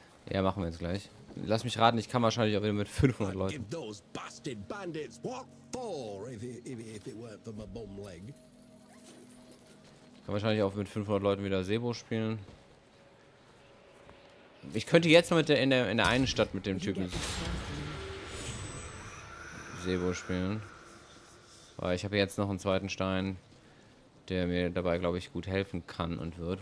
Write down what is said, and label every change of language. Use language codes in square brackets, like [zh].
[de] Ja, machen wir jetzt gleich. Lass mich raten, ich kann wahrscheinlich auch wieder mit 500 Leuten. [en] Give those busted bandits what for, if it weren't for my bum leg. [de] Kann wahrscheinlich auch mit 500 Leuten wieder Sebo spielen. Ich könnte jetzt noch mit in der einen Stadt mit dem Typen Sebo spielen. Weil ich habe jetzt noch einen zweiten Stein, der mir dabei, glaube ich, gut helfen kann und wird.